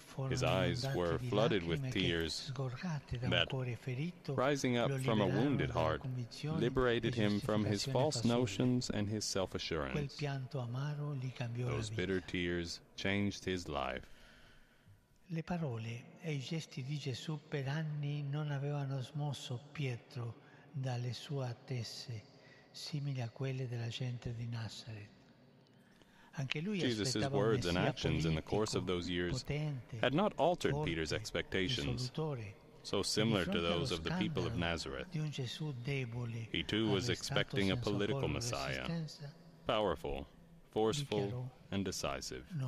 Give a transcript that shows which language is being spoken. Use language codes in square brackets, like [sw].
[en] His eyes were flooded with tears that, rising up from a wounded heart, liberated him from his false notions and his self-assurance. Those bitter tears changed his life. [it] Le parole e i gesti di Gesù per anni non avevano smosso Pietro dalle sue attese, simili a quelle della gente di Nazareth. [en] Jesus' words and actions in the course of those years had not altered Peter's expectations, so similar to those of the people of Nazareth. He too was expecting a political Messiah, powerful, forceful, and decisive.